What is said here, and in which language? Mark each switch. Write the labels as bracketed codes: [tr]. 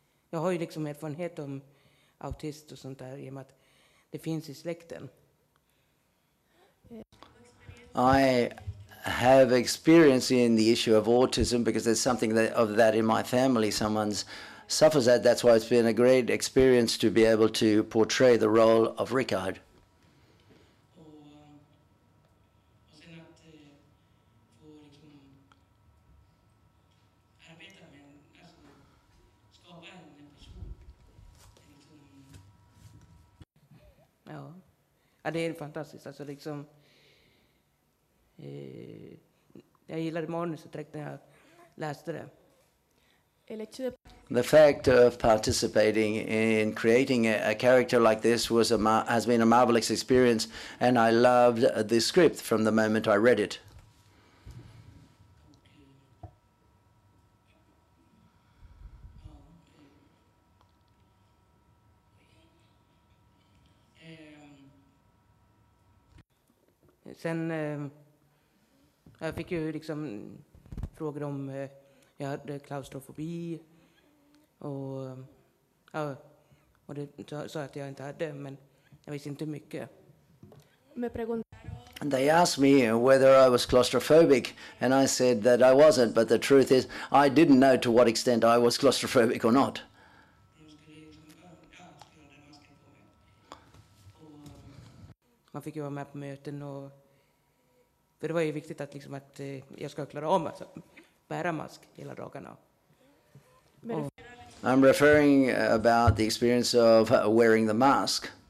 [sv] Jag har ju liksom erfarenhet om autist och sånt där, i och med att det finns i släkten. [en] I have experience in the issue of autism because there's something of that in my family. Someone's suffers that. That's why it's been a great experience to be able to portray the role of Rickard. [sv] Ja, det är fantastiskt. Alltså liksom, jag gillade manuset direkt när jag läste det. [en] The fact of participating in creating a character like this was has been a marvelous experience, and I loved the script from the moment I read it. [sv] Sen jag fick ju liksom frågor om jag hade klaustrofobi. Och det sa att jag inte hade, men jag visste inte mycket. [en] And they asked me whether I was claustrophobic, and I said that I wasn't, but the truth is I didn't know to what extent I was claustrophobic or not. [sv] Man fick ju vara med på möten, och för det var ju viktigt att liksom att jag ska klara av att bära mask hela dagarna. [en] I'm referring about the experience of wearing the mask.